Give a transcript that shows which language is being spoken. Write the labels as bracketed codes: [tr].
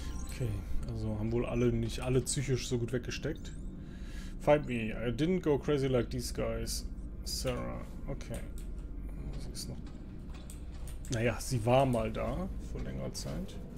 [de] Okay, also haben wohl alle nicht alle psychisch so gut weggesteckt. [en] Fight me, I didn't go crazy like these guys. [de] Sarah, okay. Sie ist noch. Naja, sie war mal da, vor längerer Zeit.